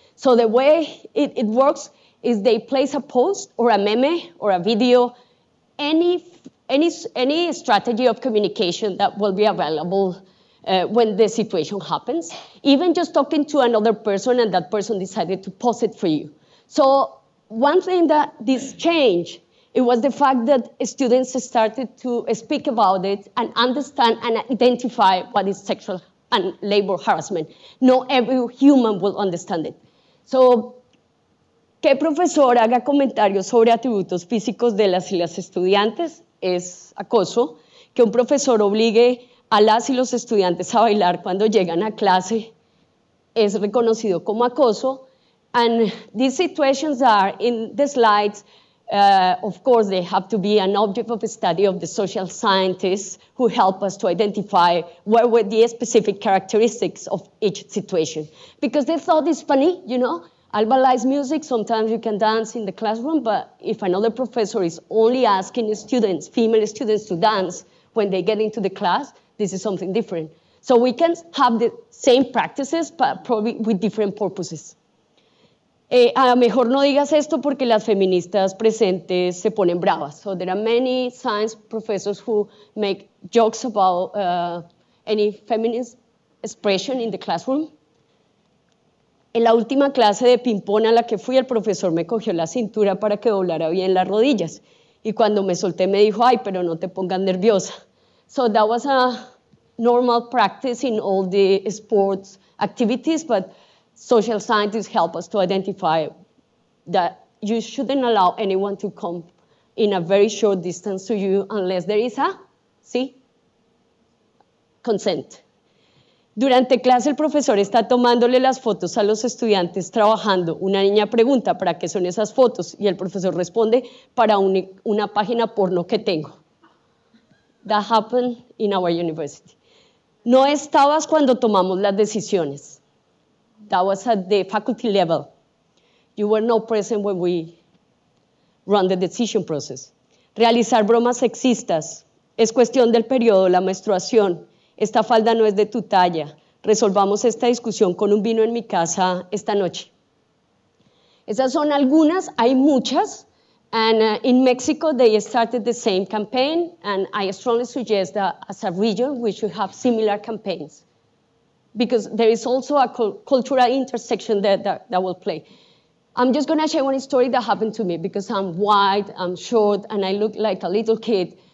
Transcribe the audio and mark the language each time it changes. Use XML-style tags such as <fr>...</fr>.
<en>So the way it works is they place a post or a meme or a video, any strategy of communication that will be available when the situation happens, even just talking to another person and that person decided to post it for you. So one thing that this changed, it was the fact that students started to speak about it and understand and identify what is sexual and labor harassment. Not every human will understand it.</en> <es>So, que profesor haga comentarios sobre atributos físicos de las y las estudiantes es acoso. Que un profesor obligue a las y los estudiantes a bailar cuando llegan a clase es reconocido como acoso.</es> <en>And these situations are in the slides. Of course, they have to be an object of study of the social scientists who help us to identify what were the specific characteristics of each situation. Because they thought it's funny, you know, Alba likes music, sometimes you can dance in the classroom, but if another professor is only asking students, female students, to dance when they get into the class, this is something different. So we can have the same practices, but probably with different purposes.</en> <es>A lo mejor no digas esto porque las feministas presentes se ponen bravas.</es> <en>So there are many science professors who make jokes about any feminist expression in the classroom.</en> <es>En la última clase de ping-pong a la que fui, el profesor me cogió la cintura para que doblara bien las rodillas. Y cuando me solté me dijo, ay, pero no te pongas nerviosa.</es> <en>So that was a normal practice in all the sports activities, but social scientists help us to identify that you shouldn't allow anyone to come in a very short distance to you unless there is a, see, consent.</en> <es>Durante clase, el profesor está tomándole las fotos a los estudiantes trabajando. Una niña pregunta, ¿para qué son esas fotos? Y el profesor responde, para una página porno que tengo.</es> <en>That happened in our university.</en> <es>No estabas cuando tomamos las decisiones.</es> <en>That was at the faculty level. You were not present when we run the decision process.</en> <es>Realizar bromas sexistas. Es cuestión del periodo, la menstruación. Esta falda no es de tu talla. Resolvamos esta discusión con un vino en mi casa esta noche. Esas son algunas, hay muchas.</es> <en>And in Mexico, they started the same campaign. And I strongly suggest that as a region, we should have similar campaigns. Because there is also a cultural intersection that will play. I'm just going to share one story that happened to me because I'm white, I'm short, and I look like a little kid.</en>